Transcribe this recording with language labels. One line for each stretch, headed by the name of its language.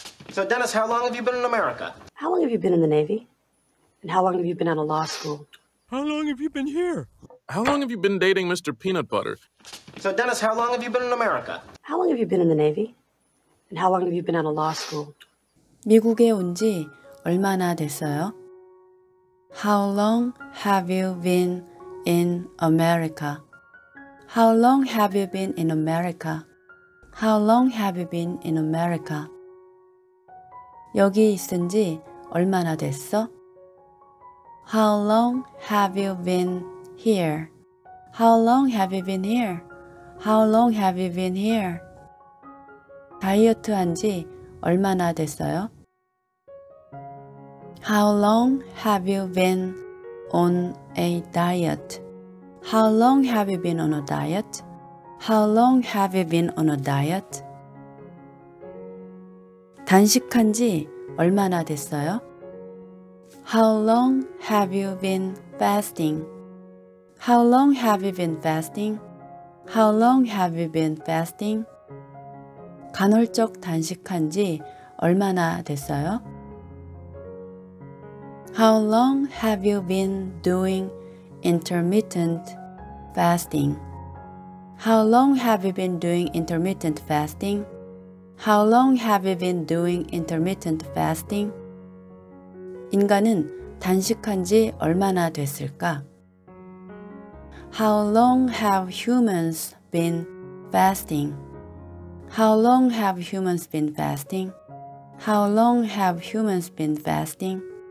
English: So, Dennis, how long have you been in America? How long have you been in the Navy? And how long have you been out of law school? How long have you been here? How long have you been dating Mr. Peanut Butter? So, Dennis, how long have you been in America? How long have you been in the Navy? And how long have you been out of law school?
Korean: 미국에 온 지 얼마나 됐어요?
English: How long have you been in America? How long have you been in America? How long have you been in America?
Korean: 여기 있은 지 얼마나 됐어?
English: How long have you been here? How long have you been here? How long have you been here?
Korean: 다이어트 한 지 얼마나 됐어요?
English: How long have you been on a diet? How long have you been on a diet? How long have you been on a diet?
Korean: 단식한 지 얼마나 됐어요?
English: How long have you been fasting? How long have you been fasting? How long have you been fasting?
Korean: 간헐적 단식한 지 얼마나 됐어요?
English: How long have you been doing intermittent fasting? How long have you been doing intermittent fasting? How long have you been doing intermittent fasting?
Korean: 인간은 단식한 지 얼마나 됐을까?
English: How long have humans been fasting? How long have humans been fasting? How long have humans been fasting?